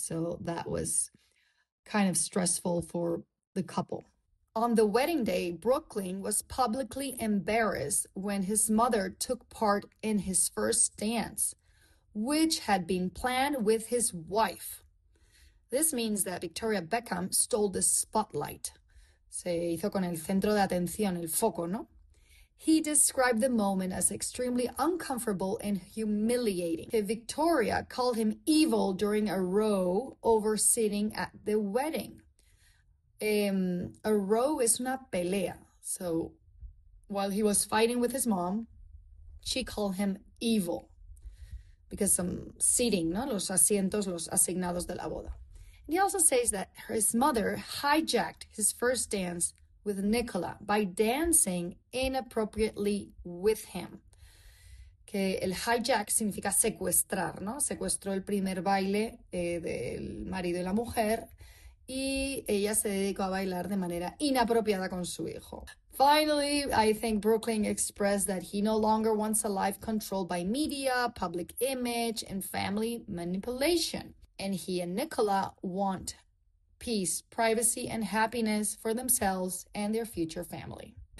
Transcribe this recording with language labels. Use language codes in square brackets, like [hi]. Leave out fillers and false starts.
[en] So that was kind of stressful for the couple. On the wedding day, Brooklyn was publicly embarrassed when his mother took part in his first dance, which had been planned with his wife. This means that Victoria Beckham stole the spotlight. [es] Se hizo con el centro de atención, el foco, ¿no? [en] He described the moment as extremely uncomfortable and humiliating. Okay, Victoria called him evil during a row over sitting at the wedding. A row is [es] una pelea. [en] So while he was fighting with his mom, she called him evil because some seating, [es] ¿no? Los asientos, los asignados de la boda. [en] And he also says that his mother hijacked his first dance with Nicola by dancing inappropriately with him. [es] Que el hijack significa secuestrar, ¿no? Secuestró el primer baile del marido y la mujer. Y ella se dedicó a bailar de manera inapropiada con su hijo. [en] Finally, I think Brooklyn expressed that he no longer wants a life controlled by media, public image, and family manipulation. And he and Nicola want peace, privacy, and happiness for themselves and their future family.